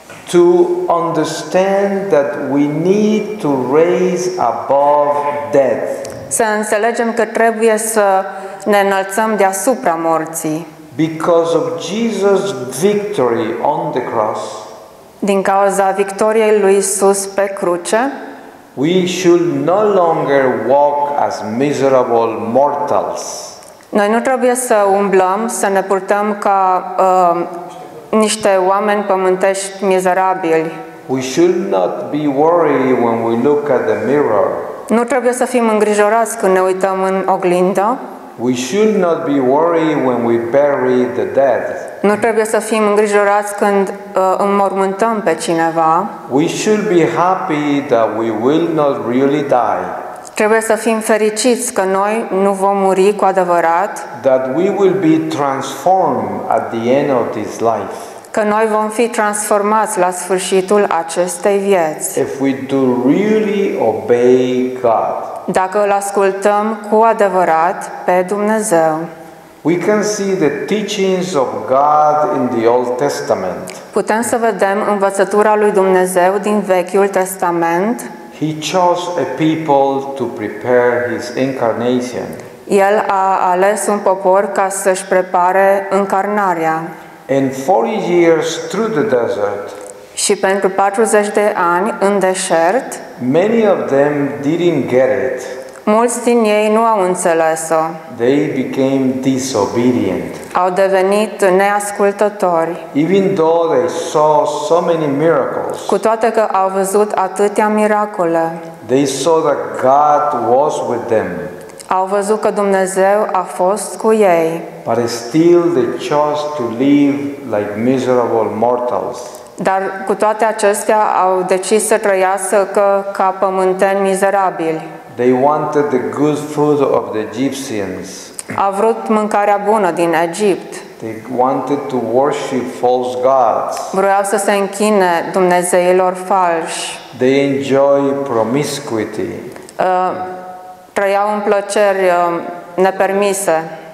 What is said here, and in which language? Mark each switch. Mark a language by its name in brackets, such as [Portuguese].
[English] To understand that we need to raise above death. [Romanian] Să înțelegem că trebuie să ne înălțăm deasupra morții. [English] Because of Jesus' victory on the cross. [Romanian] Din cauza victoriei lui Isus pe cruce. [English] We should no longer walk as miserable mortals. [Romanian] Noi nu trebuie să umblăm, să ne purtăm ca niște oameni pământești mizerabili. [English] We should not be worried when we look at the mirror. [Romanian] Nu trebuie să fim îngrijorați când ne uităm în oglindă. [English] We should not be worried when we bury the dead. [Romanian] Nu trebuie să fim îngrijorați când înmormântăm pe cineva. [English] We should be happy that we will not really die. [Romanian] Trebuie să fim fericiți că noi nu vom muri cu adevărat. [English] That we will be transformed at the end of this life. [Romanian] Că noi vom fi transformați la sfârșitul acestei vieți. [English] If we do really obey God. [Romanian] Dacă îl ascultăm cu adevărat pe Dumnezeu. [English] We can see the teachings of God in the Old Testament. [Romanian] Putem să vedem învățătura lui Dumnezeu din Vechiul Testament. [English] He chose a people to prepare his incarnation. [Romanian] El a ales un popor ca să-și prepare încarnarea. [English] And 40 years through the desert. [Romanian] Și pentru 40 de ani în deșert. [English] Many of them didn't get it. [Romanian] Mulți din ei nu au înțeles-o. [English] They became disobedient. [Romanian] Au devenit neascultători. [English] Even though they saw so many miracles. [Romanian] Cu toate că au văzut atâtea miracole. [English] They saw that God was with them. [Romanian] Au văzut că Dumnezeu a fost cu ei. [English] But still they chose to live like miserable mortals. [Romanian] Dar cu toate acestea au decis să trăiască ca pământeni mizerabili. [English] They wanted the good food of the Egyptians. [Romanian] Au vrut mâncarea bună din Egipt. [English] They wanted to worship false gods. [Romanian] Vreau să se închine dumnezeilor falși. [English] They enjoy promiscuity. [Romanian] Trăiau în plăceri nepermise.